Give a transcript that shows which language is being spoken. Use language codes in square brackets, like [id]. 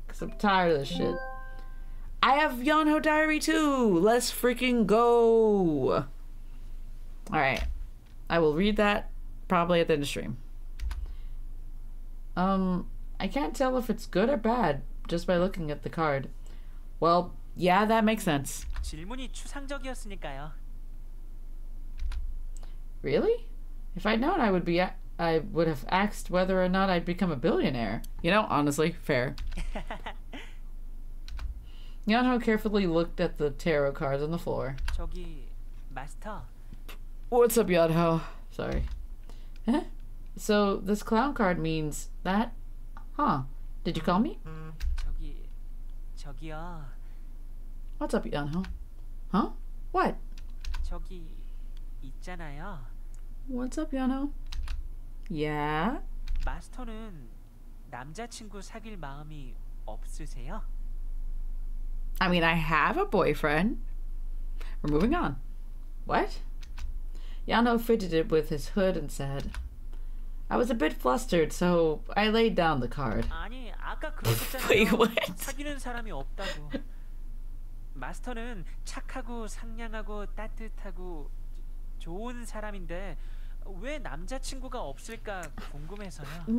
[en] Because I'm tired of this shit. I have Yeonho Diary 2. Let's freaking go. Alright. I will read that probably at the end of stream. I can't tell if it's good or bad just by looking at the card. Well, yeah, that makes sense. [ko] 질문이 추상적이었으니까요. [en] Really? If I'd known, I would have asked whether or not I'd become a billionaire. You know, honestly, fair. Yeonho carefully looked at the tarot cards on the floor. [ko] 저기, master. [en] What's up, Yeonho? Sorry. Huh? So, this clown card means that? Huh. Did you call me? [ko] 저기요. [en] What's up, Yeonho? Huh? What? [ko] 저기 있잖아요. [en] What's up, Yeonho? Yeah? [ko] 마스터는 남자친구 사귈 마음이 없으세요? [en] I mean, I have a boyfriend. We're moving on. What? Yeonho fidgeted with his hood and said, I was a bit flustered, so I laid down the card. [ko] 아니, 아까 그러셨잖아요. [en] Wait, what? [ko] 사귀는 사람이 없다고. 마스터는 착하고 상냥하고 따뜻하고 좋은 사람인데 왜 남자친구가 없을까 궁금해서요.